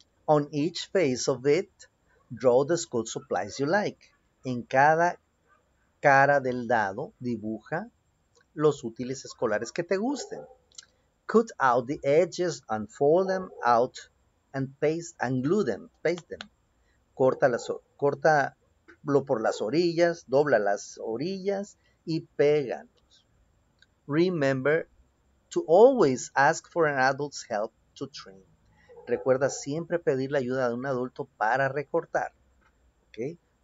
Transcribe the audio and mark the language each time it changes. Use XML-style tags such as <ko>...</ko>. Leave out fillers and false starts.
<en>On each face of it, draw the school supplies you like.</en> <es>En cada cara del dado, dibuja los útiles escolares que te gusten.</es> <en>Cut out the edges and fold them out and paste and glue them. Paste them.</en> <es>Corta por las orillas, dobla las orillas y pégalos.</es> <en>Remember to always ask for an adult's help to trim.</en> <es>Recuerda siempre pedir la ayuda de un adulto para recortar. Okay?</es>